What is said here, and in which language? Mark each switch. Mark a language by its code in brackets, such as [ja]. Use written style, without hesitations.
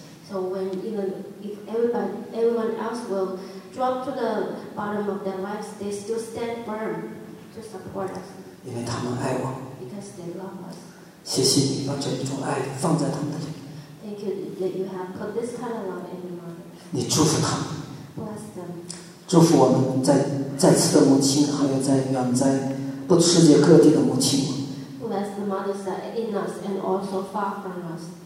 [en] so when even if everyone else will drop to the bottom of their lives, they still stand firm to support us. [zh] 因为他们爱我。 [en] Because they love us. [zh] 谢谢你把这种爱放在他们的里。 [en] Thank you that you have put this kind of love in your heart. [zh] 你祝福他们。 [en] Bless them. [zh] 祝福我们在此的母亲，还有在远在不世界各地的母亲。 [en] Bless the mothers that are in us and also far from us.